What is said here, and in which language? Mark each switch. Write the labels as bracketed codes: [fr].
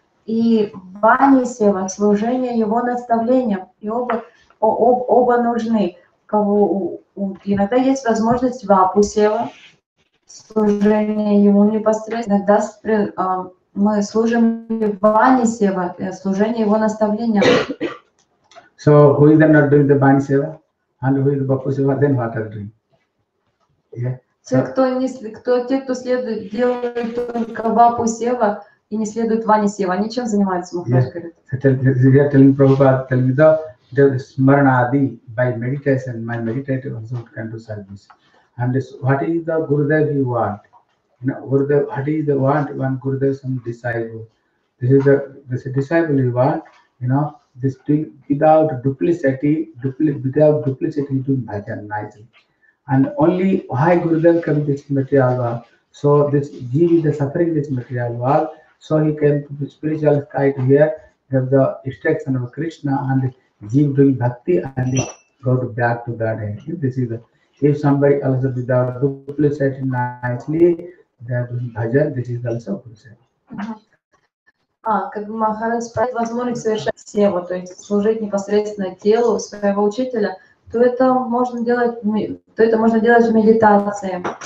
[ru] И Бани Сева – служение Его наставлениям. И оба нужны. Кого иногда есть возможность вапу сева, служение ему непосредственно. Иногда мы служим бани сева, служение его наставления. [en] So who is not doing the bani seva and who is the bapu seva, then what are doing? Yeah. [ru] Те, кто не, кто, те, кто следует, делают только вапу сева и не следует бани сева, они чем занимаются? Махарадж говорит. Я [en] telling Prabhupada, telling me that. The smaranadi by meditation, my meditative also can do service. And this, what is the Gurudev you want? You know, Gurudev, what is the want one Gurudev, some disciple? This is a disciple you want, you know, this doing without duplicity, without duplicity doing bhajan nicely. And only why Gurudev came to this material world? So this jeev is suffering this material world, so he came to the spiritual sky to hear that the instruction of Krishna and jeev doing bhakti and go to back to Godhead. If this is the, if somebody also without duplicity nicely, they are doing bhajan, this is also duplicity. [ru] Как бы Махарадж спрашивает, возможность совершать сева, то есть служить непосредственно телу своего учителя, то это можно делать в медитации.